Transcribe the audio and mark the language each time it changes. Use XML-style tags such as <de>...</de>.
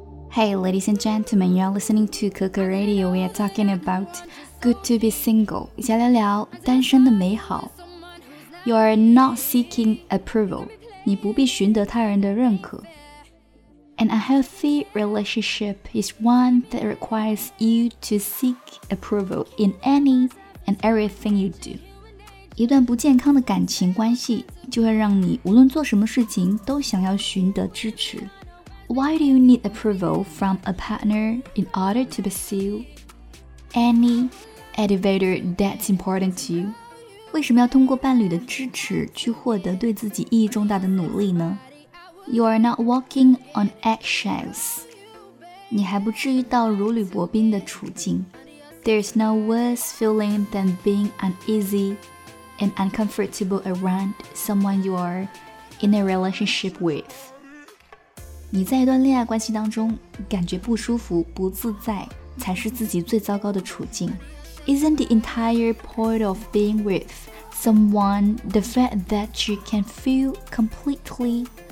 <en>Hey, ladies and gentlemen, you're listening to Coco Radio. We are talking about good to be single.</en> <zh>一起来聊聊单身的美好。</zh> <en>You are not seeking approval.</en> <zh>你不必寻得他人的认可。</zh> <en>An unhealthy relationship is one that requires you to seek approval in any and everything you do.</en> <zh>一段不健康的感情关系就会让你无论做什么事情都想要寻得支持。</zh> <en>Why do you need approval from a partner in order to pursue any elevator that's important to you?</en> <zh>为什么要通过伴侣的支持去获得对自己意义重大的努力呢？</zh> <en>You are not walking on eggshells.</en> <zh>你还不至于到如履薄冰的处境。</zh> <en>There's no worse feeling than being uneasy and uncomfortable around someone you are in a relationship with.</en> <zh>你在一段恋爱关系当中感觉不舒服、不自在才是自己最糟糕的处境。</zh> <en>Isn't the entire point of being with someone the fact that you can feel completely...</en>